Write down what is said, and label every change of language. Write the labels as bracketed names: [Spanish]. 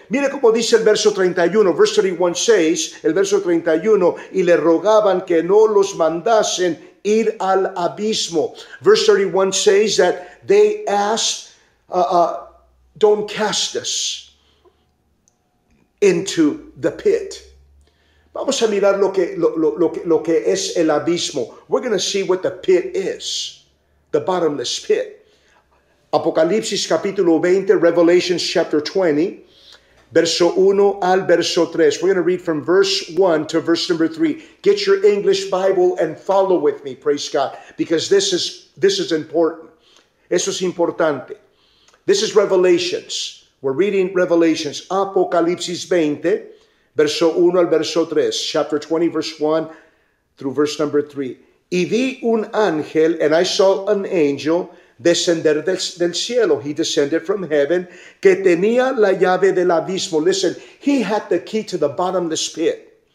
[Spanish] Mire como dice el verso 31, [English] verse 31 says, [Spanish] el verso 31, y le rogaban que no los mandasen ir al abismo. [English] Verse 31 says that they asked, don't cast us into the pit. [Spanish] Vamos a mirar lo que es el abismo. [English] We're going to see what the pit is, the bottomless pit. [Spanish] Apocalipsis capítulo 20, [English] Revelation chapter 20, [Spanish] verso 1 al verso 3. [English] We're going to read from verse 1 to verse number 3. Get your English Bible and follow with me, praise God, because this is important. [Spanish] Eso es importante. [English] This is Revelations. We're reading Revelations, [Spanish] Apocalipsis 20, verso 1 al verso 3, [English] chapter 20, verse 1 through verse number 3. [Spanish] Y vi un ángel, [English] and I saw an angel, [Spanish] descender del cielo. [English] He descended from heaven, [Spanish] que tenía la llave del abismo. [English] Listen, he had the key to the bottomless pit.